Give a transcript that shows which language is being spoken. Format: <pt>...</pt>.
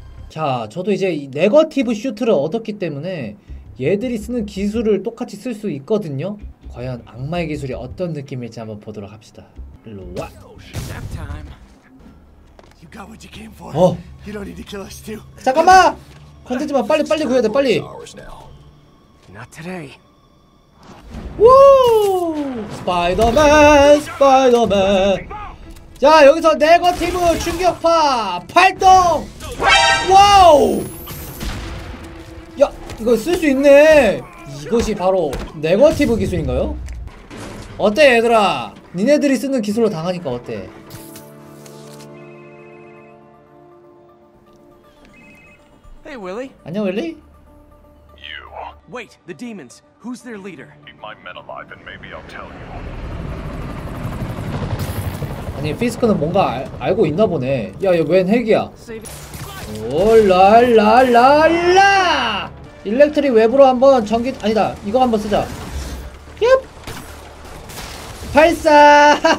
<ko>자, 저도 이제 네거티브 슈트를 얻었기 때문에 얘들이 쓰는 기술을 똑같이 쓸 수 있거든요. 과연 악마의 기술이 어떤 느낌일지 한번 보도록 합시다. 일로 와.</ko> <en>You got what you came for. You don't need to kill us too.</en> <ko>잠깐만. 건들지 마. 빨리 빨리 구해야 돼. 빨리.</ko> <en>Not today.</en> <ko>우! 스파이더맨! 스파이더맨! 자, 여기서 네거티브 충격파 발동! 와우! 야, 이거 쓸 수 있네! 이것이 바로 네거티브 기술인가요? 어때, 얘들아? 니네들이 쓰는 기술로 당하니까 어때? 안녕, 윌리?</ko> <en>Wait, the demons. Who's their leader? Keep my men alive and maybe I'll tell you.</en> <ko>아니, 피스크는 뭔가 알고 있나 보네. 야, 얘 웬 핵이야? 올랄랄랄라! 일렉트릭 웹으로 한번 전기... 아니다, 이거 한번 쓰자. 얍! 발사!</ko>